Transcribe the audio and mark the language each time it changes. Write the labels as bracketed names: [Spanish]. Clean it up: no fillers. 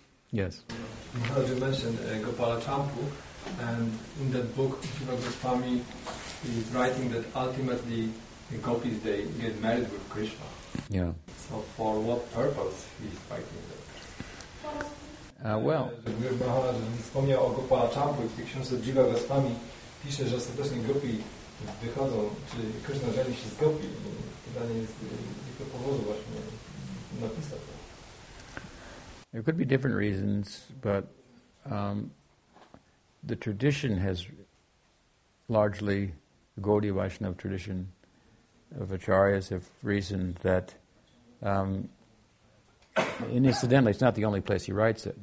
[English] Yes. As you mentioned, Gopala Champu, and in that book, Shiva Goswami is writing that ultimately the gopis, they get married with Krishna. Yeah. So for what purpose he's writing that? Well... [Polish] Guru Maharaj wspomniał o Gopala Champu w tej książce Jiva Goswami. Pisze, że ostatecznie gopi wychodzą, czy Krishna żeni się z gopi. Pytanie jest, jak to powodu właśnie napisał. [English] There could be different reasons, but the tradition has largely, the Gaudiya Vaishnava tradition of acharyas have reasoned that, and incidentally, it's not the only place he writes it.